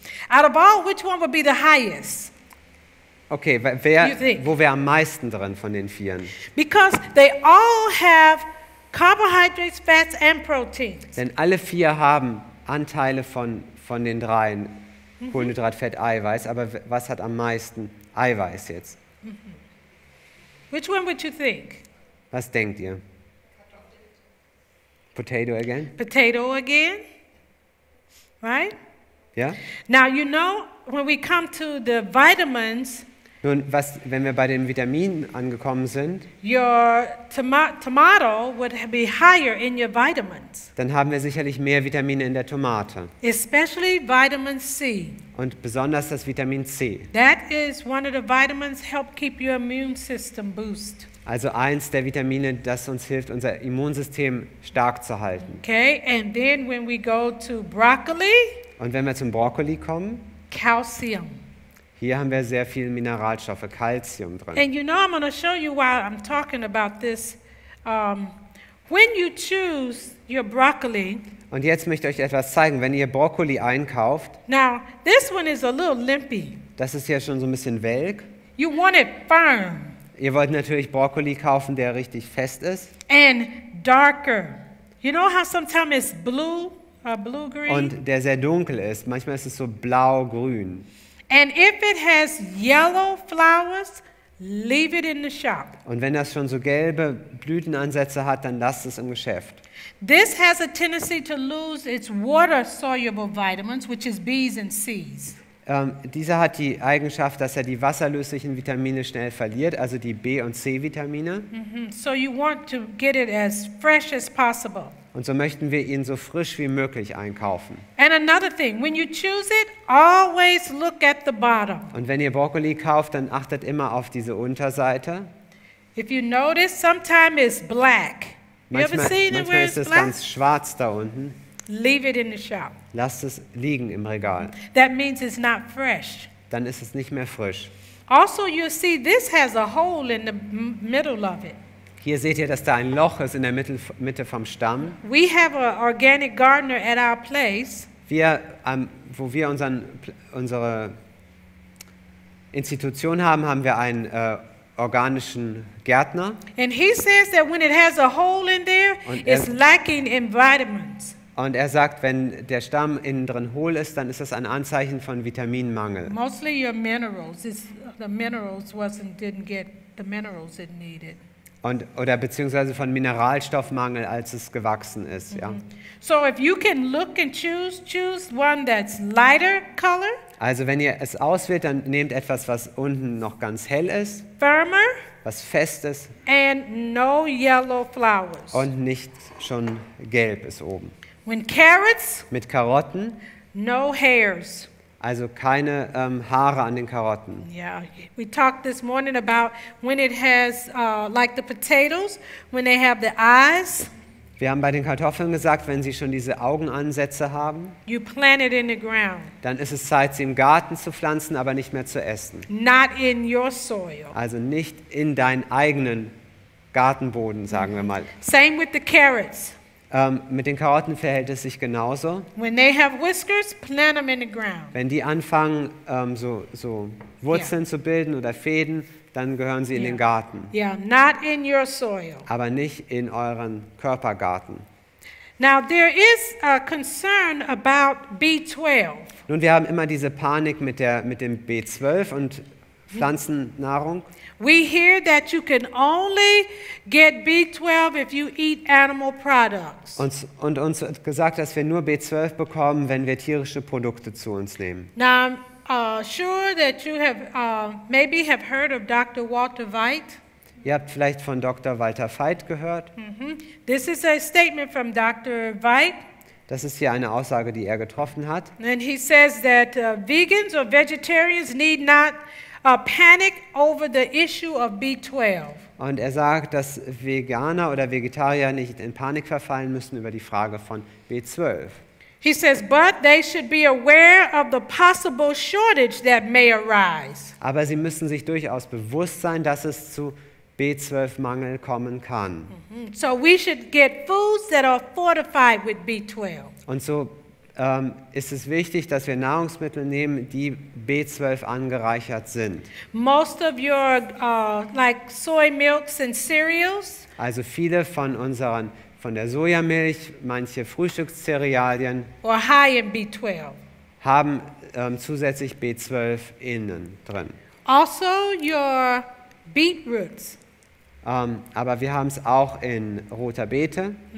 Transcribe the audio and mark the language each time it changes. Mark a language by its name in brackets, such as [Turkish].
[English] Out of all, which one would be the highest? [German] Okay, wo wäre am meisten drin von den vieren? [English] Because they all have carbohydrates, fats and proteins. [German] Denn alle vier haben Anteile von den dreien, mm-hmm. Kohlenhydrat, Fett, Eiweiß, aber was hat am meisten Eiweiß jetzt? [English] Mm-hmm. Which one would you think? [German] Was denkt ihr? [English] Potato again? Potato again, right? Yeah. Now you know when we come to the vitamins. [German] Nun, was, wenn wir bei den Vitaminen angekommen sind? [English] Your tomato would be higher in your vitamins. [German] Dann haben wir sicherlich mehr Vitamine in der Tomate. [English] Especially vitamin C. [German] Und besonders das Vitamin C. [English] That is one of the vitamins help keep your immune system boost. [German] Also eins der Vitamine, das uns hilft, unser Immunsystem stark zu halten. [English] Okay, and then when we go to broccoli. [German] Und wenn wir zum Brokkoli kommen, [English] Calcium. [German] Hier haben wir sehr viel Mineralstoffe, Calcium drin. [English] And you know, I'm going to show you while I'm talking about this. When you choose your broccoli. [German] Und jetzt möchte ich euch etwas zeigen, wenn ihr Brokkoli einkauft. [English] Now, this one is a little limpy. [German] Das ist hier schon so ein bisschen welk. [English] You want it firm. [German] Ihr wollt natürlich Brokkoli kaufen, der richtig fest ist. [English] And darker. You know how sometimes it's blue? Blue-green. [German] Und der sehr dunkel ist. Manchmal ist es so blau-grün. [English] And if it has yellow flowers, leave it in the shop. [German] Und wenn das schon so gelbe Blütenansätze hat, dann lasst es im Geschäft. [English] This has a tendency to lose its water-soluble vitamins, which is B's and C's. [German] Dieser hat die Eigenschaft, dass er die wasserlöslichen Vitamine schnell verliert, also die B- und C-Vitamine. Mm-hmm. [English] So you want to get it as fresh as possible. [German] Und so möchten wir ihn so frisch wie möglich einkaufen. [English] And another thing, when you choose it, always look at the bottom. [German] Und wenn ihr Brokkoli kauft, dann achtet immer auf diese Unterseite. [English] If you notice, sometimes it's black. [German] Manchmal ist es ganz schwarz da unten. [English] Leave it in the shop. [German] Lasst es liegen im Regal. [English] That means it's not fresh. [German] Dann ist es nicht mehr frisch. [English] Also you see, this has a hole in the middle of it. [German] Hier seht ihr, dass da ein Loch ist in der Mitte vom Stamm. [English] We have an organic gardener at our place. [German] Wir, wo wir unsere Institution haben, haben wir einen organischen Gärtner. [English] And he says that when it has a hole in there, it's lacking in vitamins. [German] Und er sagt, wenn der Stamm innen drin hohl ist, dann ist das ein Anzeichen von Vitaminmangel. [English] Mostly your minerals, the minerals wasn't, didn't get the minerals it needed. [German] Und, oder beziehungsweise von Mineralstoffmangel, als es gewachsen ist, ja. [English] So if you can look and choose one that's lighter color. [German] Also wenn ihr es auswählt, dann nehmt etwas, was unten noch ganz hell ist. [English] Firmer. [German] Was fest ist. [English] And no yellow flowers. [German] Und nicht schon gelb ist oben. [English] When carrots. [German] Mit Karotten. [English] No hairs. [German] Also keine Haare an den Karotten. [English] Yeah, we talked this morning about when it has like the potatoes when they have the eyes. [German] Wir haben bei den Kartoffeln gesagt, wenn sie schon diese Augenansätze haben. [English] You plant it in the ground. [German] Dann ist es Zeit, sie im Garten zu pflanzen, aber nicht mehr zu essen. [English] Not in your soil. [German] Also nicht in deinen eigenen Gartenboden, sagen wir mal. [English] Same with the carrots. [German] Mit den Karotten verhält es sich genauso. [English] When they have whiskers, plant them in the ground. [German] Wenn die anfangen, so Wurzeln zu bilden oder Fäden, dann gehören sie in den Garten. [English] Yeah, not in your soil. [German] Aber nicht in euren Körpergarten. [English] Now there is a concern about B12. [German] Nun, wir haben immer diese Panik mit dem B12 und Pflanzennahrung. [English] We hear that you can only get B12 if you eat animal products. [German] Uns wird gesagt, dass wir nur B12 bekommen, wenn wir tierische Produkte zu uns nehmen. [English] Now, I'm sure that you have maybe have heard of Dr. Walter Veit. [German] Ihr habt vielleicht von Dr. Walter Veit gehört. [English] This is a statement from Dr. Veit. [German] Das ist hier eine Aussage, die er getroffen hat. [English] And he says that vegans or vegetarians need not panic over the issue of B12. [German] Und er sagt, dass Veganer oder Vegetarier nicht in Panik verfallen müssen über die Frage von B12. [English] He says, but they should be aware of the possible shortage that may arise. [German] Aber sie müssen sich durchaus bewusst sein, dass es zu B12-Mangel kommen kann. [English] So we should get foods that are fortified with B12. [German] Und so ist es wichtig, dass wir Nahrungsmittel nehmen, die B12 angereichert sind. [English] Most of your like soy milks and cereals. [German] Also viele von unseren, von der Sojamilch, manche Frühstückscerealien [English] or high in B12. [German] Haben zusätzlich B12 innen drin. [English] Also your beetroots. [German] Aber wir haben es auch in roter Beete.